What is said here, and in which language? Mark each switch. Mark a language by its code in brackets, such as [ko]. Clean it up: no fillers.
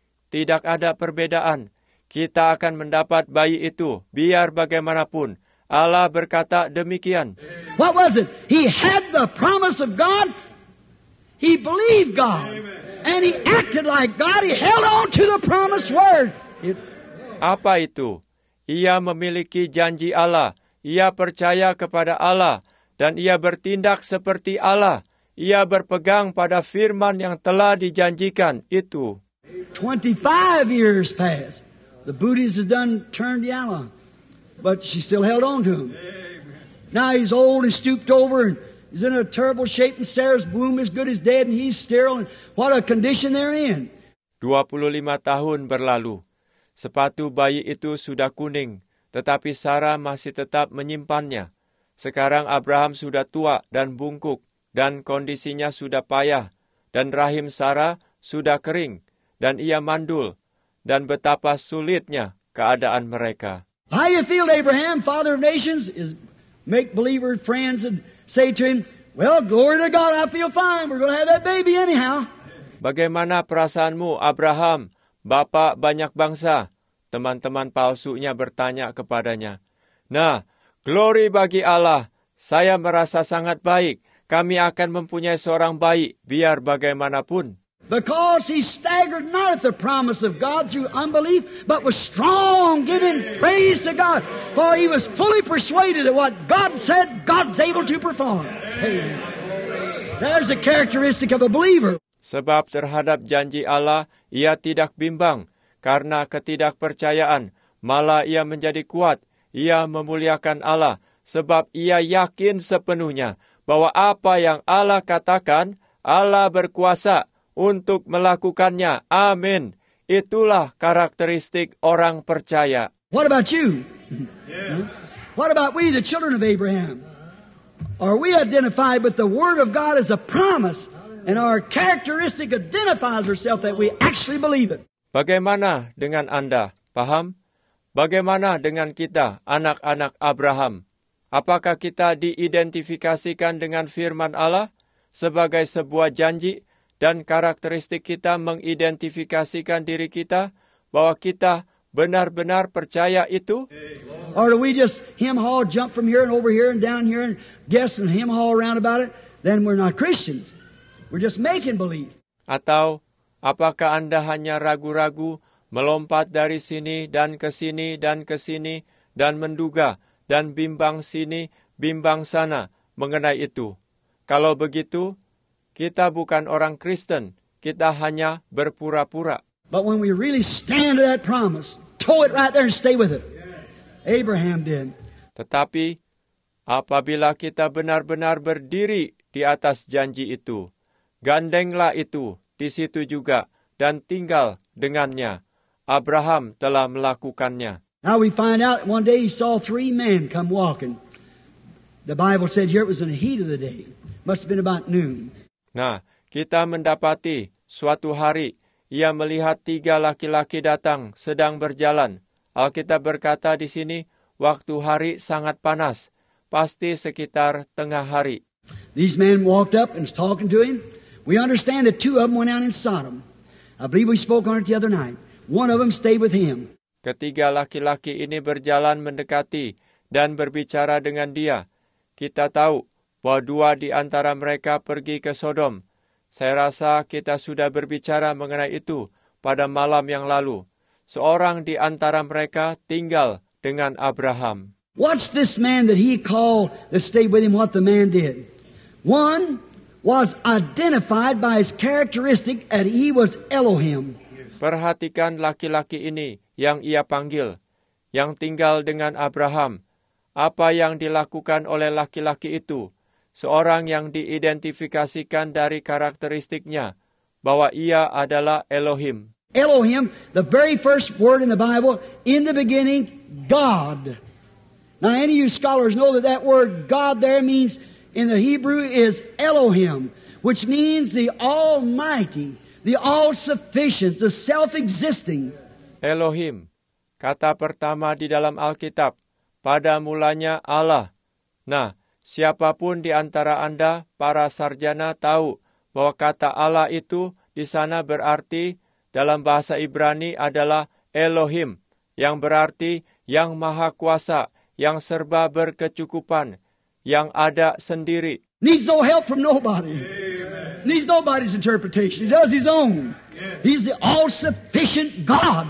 [id] Tidak ada perbedaan. Kita akan mendapat bayi itu, biar bagaimanapun. Allah berkata demikian. [en] What was it? He had the promise of God. He believed God. And he acted like God. He held on to the promised word. [id] Apa itu? Ia memiliki janji Allah. Ia percaya kepada Allah. Dan ia bertindak seperti Allah. Ia berpegang pada firman yang telah dijanjikan itu. [en] 25 years passed. The booties had done turned yellow, but she still held on to him. Amen. Now he's old and stooped over and he's in a terrible shape and Sarah's womb is good as dead and he's sterile. And what a condition they're in. [id] 25 tahun berlalu. Sepatu bayi itu sudah kuning, tetapi Sarah masih tetap menyimpannya. Sekarang Abraham sudah tua dan bungkuk dan kondisinya sudah payah dan rahim Sarah sudah kering dan ia mandul. Dan betapa sulitnya keadaan mereka. [en] How you feel, Abraham, father of nations? Is make believer friends and say to him, well, glory to God, I feel fine. We're going to have that baby anyhow. [id] Bagaimana perasaanmu, Abraham, bapak banyak bangsa? Teman-teman palsunya bertanya kepadanya. Nah, glory bagi Allah. Saya merasa sangat baik. Kami akan mempunyai seorang bayi, biar bagaimanapun. [en] Because he staggered not at the promise of God through unbelief, but was strong, giving praise to God. For he was fully persuaded that what God said, God's able to perform. There's a characteristic of a believer. [id] Sebab terhadap janji Allah, ia tidak bimbang. Karena ketidakpercayaan, malah ia menjadi kuat. Ia memuliakan Allah, sebab ia yakin sepenuhnya bahwa apa yang Allah katakan, Allah berkuasa untuk melakukannya. Amin. Itulah karakteristik orang percaya. [en] What about you? What about we, the children of Abraham? Are we identified with the word of God as a promise And our characteristic identifies ourselves that we actually believe it. [id] Bagaimana dengan Anda? Paham? Bagaimana dengan kita, anak-anak Abraham? Apakah kita diidentifikasikan dengan firman Allah sebagai sebuah janji dan karakteristik kita mengidentifikasikan diri kita bahwa kita benar-benar percaya itu? [en] Or do we just hem-haw, jump from here and over here and down here and guess and hem-haw around about it? Then we're not Christians. We're just making believe. [id] Atau apakah Anda hanya ragu-ragu melompat dari sini dan ke sini dan ke sini dan menduga dan bimbang sini, bimbang sana mengenai itu? Kalau begitu, kita bukan orang Kristen. Kita hanya berpura-pura. [en] But when we really stand to that promise, tow it right there and stay with it. Abraham did. [id] Tetapi apabila kita benar-benar berdiri di atas janji itu, gandenglah itu di situ juga dan tinggal dengannya. Abraham telah melakukannya. [en] Now we find out one day he saw three men come walking. The Bible said here it was in the heat of the day. Must have been about noon. [id] Nah, kita mendapati suatu hari ia melihat tiga laki-laki datang sedang berjalan. Alkitab berkata di sini, waktu hari sangat panas, pasti sekitar tengah hari. [en] These men walked up and was talking to him. We understand that two of them went out in Sodom. I believe we spoke on it the other night. One of them stayed with him. [id] Ketiga laki-laki ini berjalan mendekati dan berbicara dengan dia. Kita tahu bahwa dua di antara mereka pergi ke Sodom. Saya rasa kita sudah berbicara mengenai itu pada malam yang lalu. Seorang di antara mereka tinggal dengan Abraham. [en] What's this man that he called that stayed with him, what the man did? One was identified by his characteristic that he was Elohim. [id] Perhatikan laki-laki ini yang ia panggil, yang tinggal dengan Abraham. Apa yang dilakukan oleh laki-laki itu? Seorang yang diidentifikasikan dari karakteristiknya, bahwa ia adalah Elohim. [en] Elohim, the very first word in the Bible, in the beginning, God. Now, any of you scholars know that that word God there means, in the Hebrew, is Elohim, which means the Almighty, the All-Sufficient, the Self-Existing. [id] Elohim, kata pertama di dalam Alkitab, pada mulanya Allah. Nah, siapapun di antara Anda, para sarjana, tahu bahwa kata Allah itu di sana berarti dalam bahasa Ibrani adalah Elohim, yang berarti yang maha kuasa, yang serba berkecukupan, yang ada sendiri. [en] Needs no help from nobody. Amen. Needs nobody's interpretation. He does his own. Yes. He's the all-sufficient God.